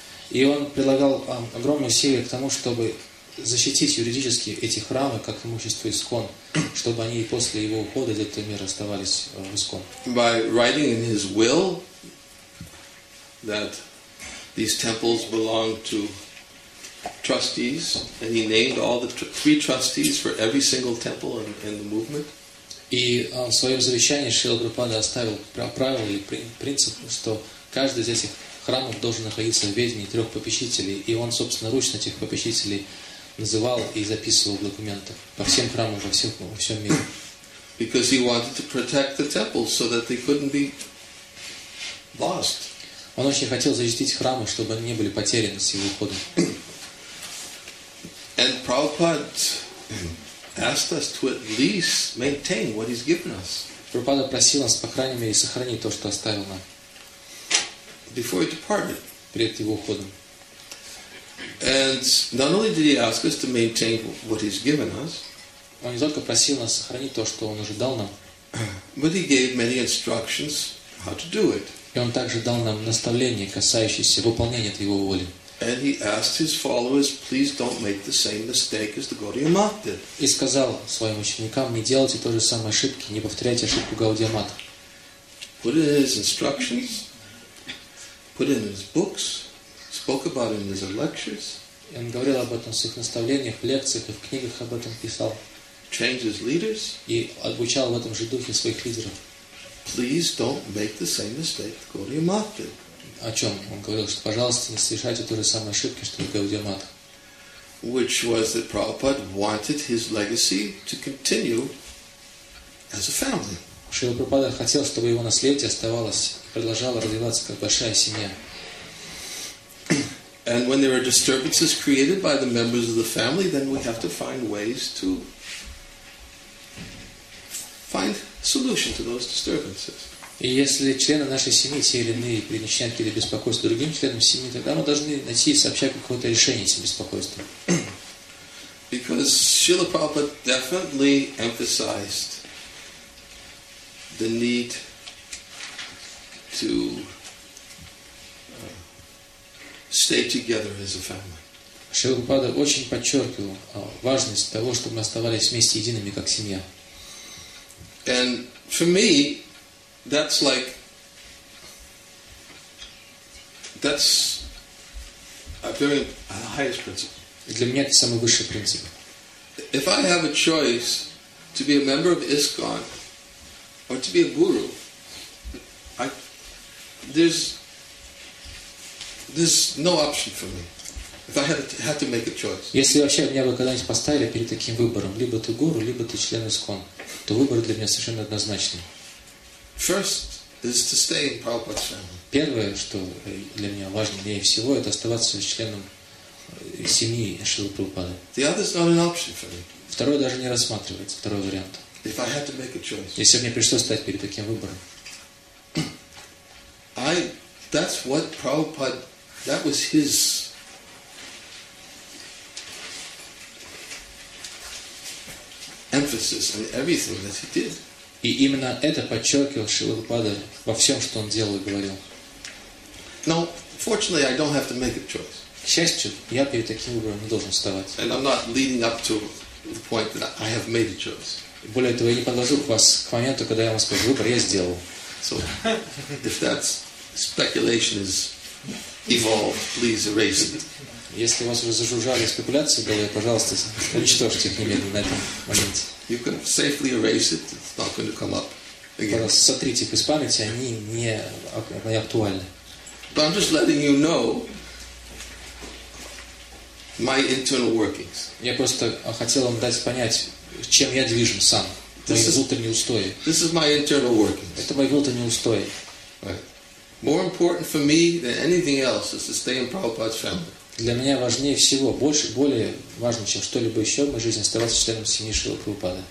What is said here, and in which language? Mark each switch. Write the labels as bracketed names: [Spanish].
[Russian] И он прилагал огромные усилия к тому, чтобы защитить юридически эти храмы как имущество искон, чтобы они после его ухода из этого мира оставались искон. [English] By writing in his will that these temples belong to trustees, and he named all the three trustees for every single temple in the movement. [Russian] И в своем завещании Шрила Прабхупада оставил правило и принцип, что каждый из этих храмов должен находиться в ведении трех попечителей. И он, собственно, ручно этих попечителей называл и записывал в документах по всем храмам, во всем мире. [English] Because he wanted to protect the temples so that they couldn't be lost. [Russian] Он очень хотел защитить храмы, чтобы они не были потеряны с его уходом. [English] And Prabhupada asked us to at least maintain what he's given us. [Russian] Прабхупада просил нас, по крайней мере, сохранить то, что оставил нам. [English] Before he departed. [Russian] Перед его уходом. [English] And not only did he ask us to maintain what he's given us. [Russian] Он не только просил нас сохранить то, что он уже дал нам. [English] But he gave many instructions how to do it. [Russian] И он также дал нам наставления, касающиеся выполнения этой его воли. [English] And he asked his followers, please don't make the same mistake as the Gaudiya Math did. [Russian] И сказал своим ученикам, не делайте той же самой ошибки, не повторяйте ошибку Гаудия Матха. [English] Put in his instructions, put in his books, spoke about it in his lectures. [Russian] И он говорил об этом в своих наставлениях, в лекциях и в книгах об этом писал. [English] Changed his leaders. [Russian] И обучал в этом же духе своих лидеров. [English] Please don't make the same mistake the Gaudiya Math did. [Russian] О чем? Он говорил, что, пожалуйста, не совершайте той же самой ошибки, что и Гаудия Матха. [English] Which was that Prabhupada wanted his legacy to continue as a family. [Russian] Шрила Прабхупада хотел, чтобы его наследие оставалось и продолжало развиваться как большая семья. [English] And when there are disturbances created by the members of the family, then we have to find ways to find solution to those disturbances. [Russian] И если члены нашей семьи, те или иные, причиняют какие-то беспокойства другим членам семьи, тогда мы должны найти и сообща какое-то решение этим беспокойствам. [English] Because Srila Prabhupada definitely emphasized the need to stay together as a family. [Russian] Srila Prabhupada очень подчеркивал важность того, чтобы мы оставались вместе едиными, как семья. [English] And for me, that's like, that's a very highest principle. [Russian] Для меня это самый высший принцип. [English] If I have a choice to be a member of ISKCON or to be a guru, there's no option for me. If I had to make a choice. [Russian] Если вообще меня бы когда-нибудь поставили перед таким выбором, либо ты гуру, либо ты член ISKCON, то выбор для меня совершенно однозначный. [English] First is to stay in Prabhupada's family. [Russian] Первое, что для меня важнее всего, это оставаться членом семьи Шрилы Прабхупады. [English] The other is not an option for me. [Russian] Второе даже не рассматривается, второй вариант. [English] If I had to make a choice. [Russian] Если мне пришлось стать перед таким выбором. [English] That's what Prabhupada, that was his emphasis on everything that he did. [Russian] И именно это подчеркивал Шрила Прабхупада во всем, что он делал и говорил. [English] No, fortunately, I don't have to make a choice. [Russian] К счастью, я перед таким выбором не должен вставать. [English] And I'm not leading up to the point that I have made a choice. [Russian] Более того, я не подвожу вас к моменту, когда я вам скажу, выбор я сделал. [English] So, if that speculation is evolved, please erase it. [Russian] Если у вас уже зажужжали спекуляции, говорю, пожалуйста, уничтожьте их немедленно на этом моменте. [English] You can safely erase it. It's not going to come up again. [Russian] Пожалуйста, сотрите их из памяти, они не актуальны. [English] But I'm just letting you know my internal workings. [Russian] Я просто хотел вам дать понять, чем я движим сам, мои внутренние устои. [English] This is my internal workings. [Russian] Это мои внутренние устои. [English] More important for me than anything else is to stay in Prabhupada's family. [Russian] Для меня важнее всего, больше, более важно, чем что-либо еще в моей жизни, оставаться членом семьи Шрилы Прабхупады.